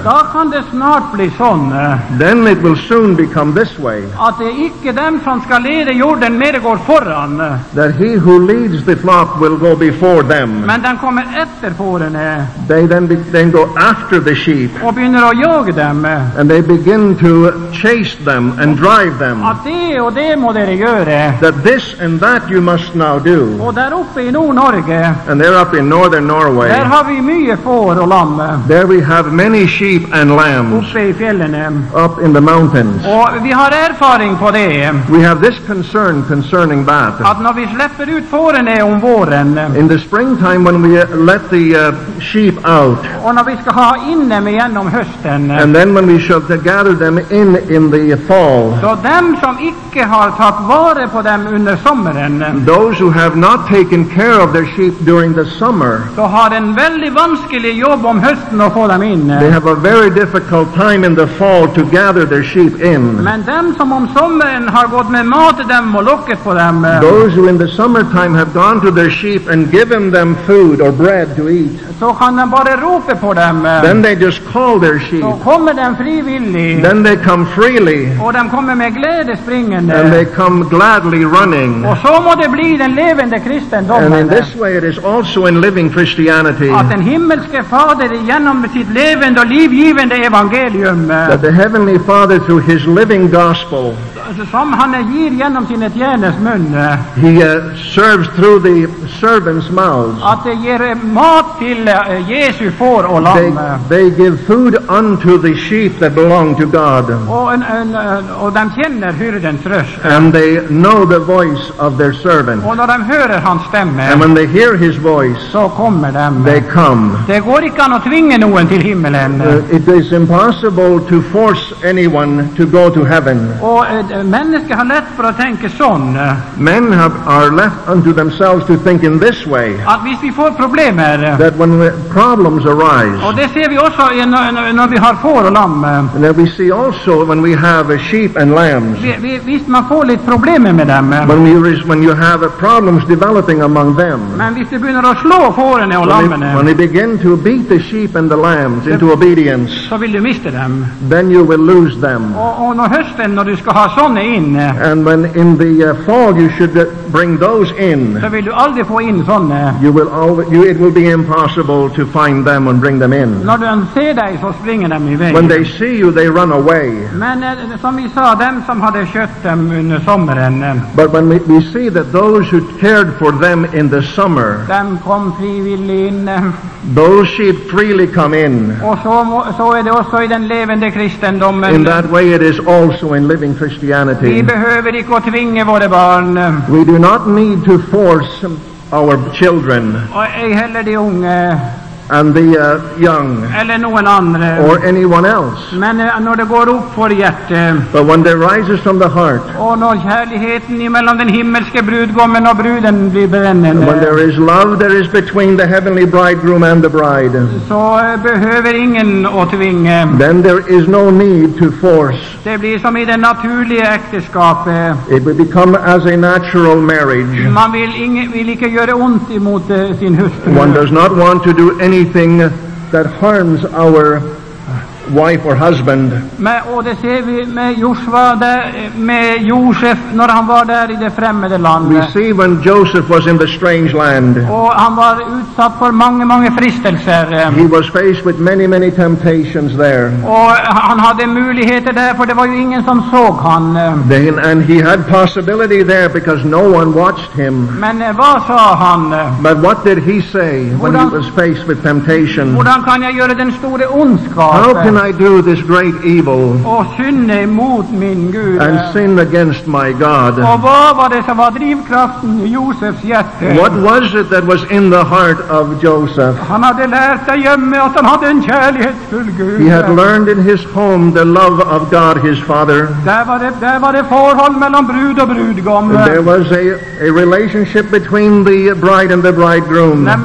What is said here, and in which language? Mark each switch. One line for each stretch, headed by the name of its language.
Swedish: Då kan det snart bli sån.
English: Then it will soon become this way.
Swedish: Att det icke dem som ska leda jorden mer går föran.
English: That he who leads the flock will go before them.
Swedish: Men den kommer efter fåren.
English: They then go after the sheep.
Swedish: Och börjar att jaga dem.
English: And they begin to chase them and drive them.
Swedish: Att det och det må det göra.
English: That this and that you must now do.
Swedish: Och där uppe i Nord-Norge.
English: And there up in northern Norway.
Swedish: Där har vi mycket får och lamm.
English: There we have many sheep and lambs.
Swedish: Uppe i fjällen.
English: Up in the mountains.
Swedish: Och vi har erfaring på det.
English: We have this concern concerning that.
Swedish: Att när vi släpper ut fåren om våren.
English: In the springtime when we let the sheep out.
Swedish: Och när vi ska ha in dem igen om hösten.
English: And then when we shall gather them in the fall.
Swedish: Så dem som icke har tagit vare på dem under sommaren.
English: Those who have not taken care of their sheep during the summer.
Swedish: Så har en väldigt vanskelig jobb om hösten att få dem in.
English: They have a very difficult time in the fall to gather their sheep in.
Swedish: Men dem som om sommaren har gått med mat till dem och locket på dem.
English: Those who in the summertime have gone to their sheep and given them food or bread to eat.
Swedish: Så kan de bara ropa på dem.
English: Then they just call their sheep.
Swedish: Så kommer de frivilligt.
English: Then they come freely.
Swedish: Och de kommer med glädje springande.
English: And they come gladly running.
Swedish: Och så må det bli den levande kristendomen.
English: And in this way it is also in living Christianity.
Swedish: Att den himmelske fader genom sitt levande och livgivande evangelium.
English: That the heavenly father through his living gospel.
Swedish: Som han ger genom sin tjänares mun.
English: He serves through the servants' mouths.
Swedish: Att de ger mat till Jesu får och lamm.
English: They give food unto the sheep that belong to God.
Swedish: Och de känner hyrdens röst.
English: And they know the voice of their servant.
Swedish: Och när de hör hans stämme.
English: And when they hear his voice.
Swedish: Så kommer de.
English: They come.
Swedish: Det går icke att tvinga någon till himmelen.
English: It is impossible to force anyone to go to heaven.
Swedish: Människor har lätt för att tänka sån.
English: Men are left unto themselves to think in this way.
Swedish: Att vi får problem här.
English: That when problems arise.
Swedish: Och det ser vi också när vi har får och lamm.
English: And that we see also when we have a sheep and lambs.
Swedish: Visst man får lite problem med dem.
English: When you have problems developing among them.
Swedish: Men visst de börjar att slå fåren och lammen.
English: When they begin to beat the sheep and the lambs into obedience.
Swedish: Så vill du mista dem.
English: Then you will lose them.
Swedish: Och när hösten när du ska ha såna in.
English: And when in the fog you should bring those in.
Swedish: Så vill du aldrig få in såna.
English: It will be impossible to find them and bring them in.
Swedish: När de ser dig så springer de iväg.
English: When they see you they run away.
Swedish: Men som vi sa dem som hade kött dem under sommaren.
English: But when we see that those who cared for them in the summer.
Swedish: Dem kom frivilligt in.
English: Those sheep freely come in.
Swedish: Och så är det också i den levande kristendomen.
English: In that way it is also in living Christianity.
Swedish: Vi behöver inte att tvinga våra barn.
English: We do not need to force our children.
Swedish: Och ej heller de unga.
English: And the young.
Swedish: Eller någon andra.
English: Or anyone else.
Swedish: Men när det går upp för hjärtat.
English: But when they rises from the heart.
Swedish: Och när kärligheten mellan den himmelske brudgummen och bruden blir brännande.
English: When there is love there is between the heavenly bridegroom and the bride.
Swedish: Så behöver ingen att tvinga.
English: Then there is no need to force.
Swedish: Det blir som i det naturliga äktenskapet.
English: It will become as a natural marriage.
Swedish: Man vill inte göra ont emot sin hustru.
English: One does not want to do anything that harms our wife or husband.
Swedish: Men och det ser vi med Josua där med Josef när han var där i det främmande landet.
English: We see when Joseph was in the strange land.
Swedish: Och han var utsatt för många många frestelser.
English: He was faced with many many temptations there.
Swedish: Och han hade möjligheter där för det var ju ingen som såg han.
English: Then, and he had possibility there because no one watched him.
Swedish: Men vad sa han?
English: But what did he say when he was faced with temptation?
Swedish: Hur kan jag göra den stora ondskan?
English: How can I do this great evil?
Swedish: Och synda mot min Gud.
English: And sin against my God.
Swedish: Och vad var det som var drivkraften i Josefs hjärta?
English: What was it that was in the heart of Joseph?
Swedish: Han hade lärt sig hemma att han hade en kärleksfull Gud.
English: He had learned in his home the love of God his father.
Swedish: Där var det förhållande mellan brud och brudgum.
English: There was a relationship between the bride and the bridegroom.